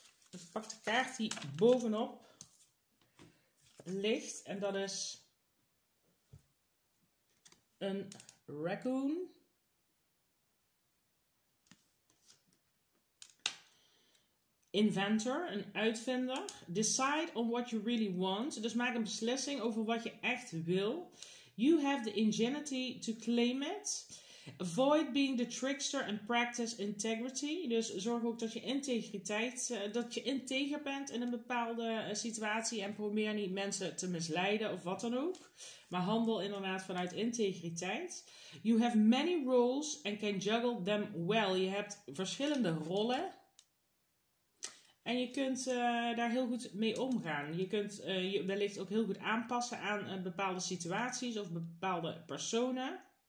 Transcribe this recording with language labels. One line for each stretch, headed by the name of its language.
Dutch: Ik pak de kaart die bovenop ligt en dat is een raccoon. Inventor, een uitvinder.
English: Decide on what you really want.
Dutch: Dus maak een beslissing over wat je echt wil.
English: You have the ingenuity to claim it. Avoid being the trickster and practice integrity.
Dutch: Dus zorg ook dat je integriteit, dat je integer bent in een bepaalde situatie. En probeer niet mensen te misleiden of wat dan ook. Maar handel inderdaad vanuit integriteit.
English: You have many roles and can juggle them well.
Dutch: Je hebt verschillende rollen. En je kunt daar heel goed mee omgaan. Je kunt je wellicht ook heel goed aanpassen aan bepaalde situaties of bepaalde personen.